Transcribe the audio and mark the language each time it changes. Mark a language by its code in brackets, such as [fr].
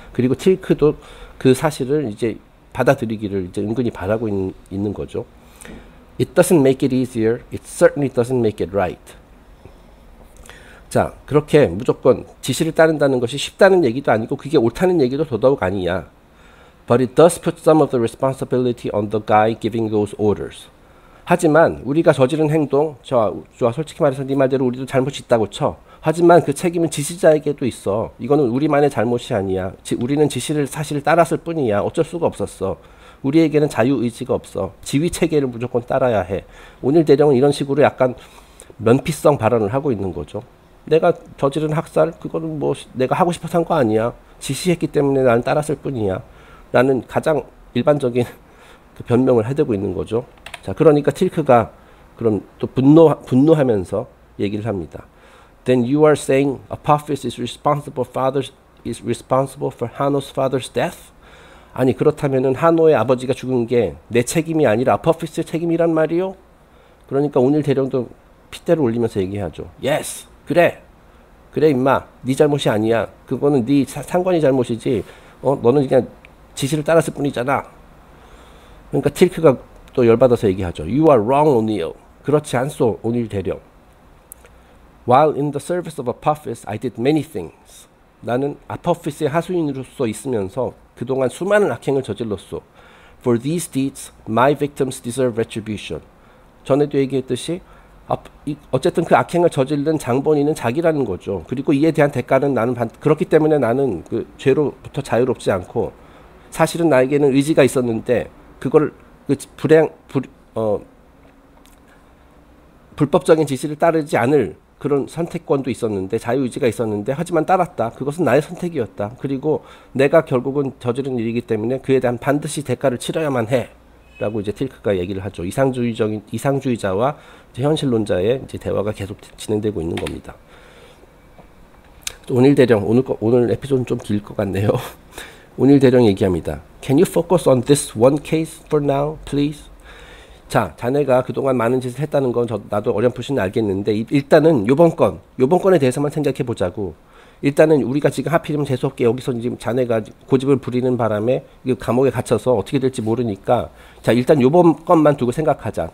[ko] 그리고 틸크도 그 사실을 이제 받아들이기를 이제 은근히 바라고 있는 거죠. [en] It doesn't make it easier. It certainly doesn't make it right. [ko] 자, 그렇게 무조건 지시를 따른다는 것이 쉽다는 얘기도 아니고 그게 옳다는 얘기도 더더욱 아니야. [en] But it does put some of the responsibility on the guy giving those orders. [ko] 하지만 우리가 저지른 행동, 저 솔직히 말해서 네 말대로 우리도 잘못이 있다고 쳐. 하지만 그 책임은 지시자에게도 있어. 이거는 우리만의 잘못이 아니야. 우리는 지시를 사실 따랐을 뿐이야. 어쩔 수가 없었어. 우리에게는 자유의지가 없어. 지휘 체계를 무조건 따라야 해. 온일 대령은 이런 식으로 약간 면피성 발언을 하고 있는 거죠. 내가 저지른 학살, 그거는 뭐 내가 하고 싶어서 한거 아니야. 지시했기 때문에 나는 따랐을 뿐이야. 라는 가장 일반적인 그 변명을 해대고 있는 거죠. 자, 그러니까 틸크가 그럼 또 분노하면서 얘기를 합니다. [en] Then you are saying Apophis is responsible for Hanno's father's death? [ko] 아니, 그렇다면은 하노의 아버지가 죽은 게내 책임이 아니라 아포피스의 책임이란 말이요? 그러니까 온일 대령도 핏대를 올리면서 얘기하죠. Yes, 그래. 그래, 임마. 네 잘못이 아니야. 그거는 네 상관이 잘못이지. 너는 그냥 지시를 따랐을 뿐이잖아. 그러니까 틸크가 또 열받아서 얘기하죠. [en] You are wrong, O'Neill. [ko] 그렇지 않소, 온일 대령. [en] While in the service of Apophis, I did many things. [ko] 나는 아포피스의 하수인으로서 있으면서 그동안 수많은 악행을 저질렀소. [en] For these deeds, my victims deserve retribution. [ko] 전에도 얘기했듯이 어쨌든 그 악행을 저지른 장본인은 자기라는 거죠. 그리고 이에 대한 대가는 나는 그렇기 때문에 나는 그 죄로부터 자유롭지 않고 사실은 나에게는 의지가 있었는데 그걸 그 불행 불어 불법적인 지시를 따르지 않을 그런 선택권도 있었는데 자유의지가 있었는데 하지만 따랐다. 그것은 나의 선택이었다. 그리고 내가 결국은 저지른 일이기 때문에 그에 대한 반드시 대가를 치러야만 해라고 이제 틸크가 얘기를 하죠. 이상주의자와 이제 현실론자의 이제 대화가 계속 진행되고 있는 겁니다. 온일 대령 오늘 에피소드는 좀길것 같네요. 온일 대령 얘기합니다. [en] Can you focus on this one case for now, please? [ko] 자, 자네가 그동안 많은 짓을 했다는 건 나도 어렴풋이 알겠는데, 일단은 요번 건에 대해서만 생각해 보자고. 일단은 우리가 지금 하필이면 재수 없게 여기서 지금 자네가 고집을 부리는 바람에 감옥에 갇혀서 어떻게 될지 모르니까, 자, 일단 요번 건만 두고 생각하자.